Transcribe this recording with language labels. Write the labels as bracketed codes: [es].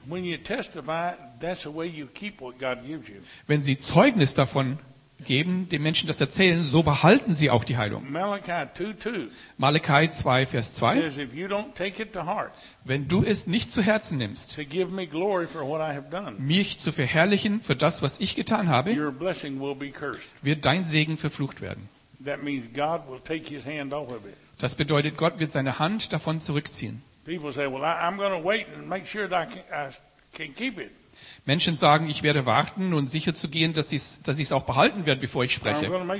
[de] Wenn sie Zeugnis davon geben, den Menschen das erzählen, so behalten sie auch die Heilung. Malachi 2, Vers 2 [en] says, if you don't take it to heart, [de] wenn du es nicht zu Herzen nimmst, [en] to give me glory for what I have done, [de] mich zu verherrlichen für das, was ich getan habe, [en] your blessing will be cursed. [de] Wird dein Segen verflucht werden. [en] That means God will take his hand off of it. [de] Das bedeutet, Gott wird seine Hand davon zurückziehen. [en] People say, well, I'm going to wait and make sure that I can keep it. [de] Menschen sagen, ich werde warten und sicher zu gehen, dass ich es auch behalten werde, bevor ich spreche.